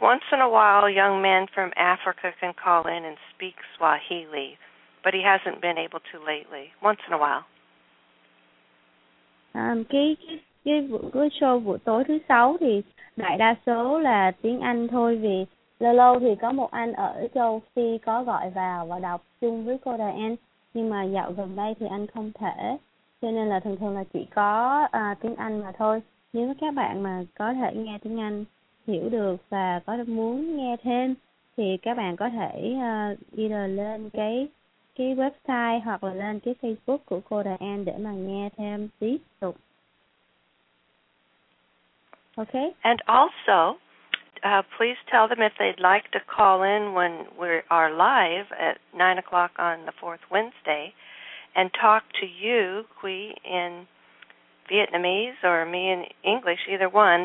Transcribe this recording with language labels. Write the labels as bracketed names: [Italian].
[English] Once in a while, a young man from Africa can call in and speak Swahili, but he hasn't been able to lately. Once in a while. [Vietnamese] Cái show buổi tối thứ sáu thì đại đa số là tiếng Anh thôi, vì lâu lâu thì có một anh ở châu Phi có gọi vào và đọc chung với cô Diane, nhưng mà dạo gần đây thì anh không thể, cho nên là thường thường là chỉ có tiếng Anh mà thôi. Nếu các bạn mà có thể nghe tiếng Anh hiểu được và có muốn nghe thêm thì các bạn có thể either lên cái website hoặc là lên cái Facebook của cô Diane để mà nghe thêm tiếp tục. [English] Okay. And also, please tell them if they'd like to call in when we are live at 9 o'clock on the fourth Wednesday and talk to you, Quy, in Vietnamese or me in English, either one.